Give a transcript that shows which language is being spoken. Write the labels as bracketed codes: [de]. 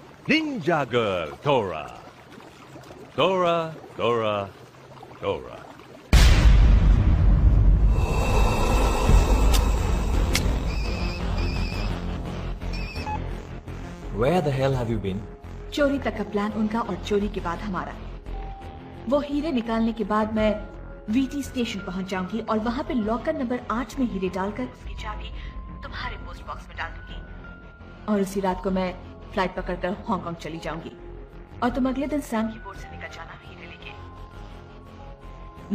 [hi] Ninja girl तोरा, तोरा, तोरा, तोरा। [en] Where the hell have you been? [hi] चोरी तक का प्लान उनका और चोरी के बाद हमारा। वो हीरे निकालने के बाद मैं वीटी स्टेशन पहुंच जाऊंगी और वहां पे लॉकर नंबर 8 में हीरे डालकर उसकी चाबी तुम्हारे पोस्ट बॉक्स में डाल दूंगी और उसी रात को मैं फ्लाइट पकड़कर हांगकांग चली जाऊंगी और तुम अगले दिन सैम की बोर्ड से निकल जाना हीरे लेके।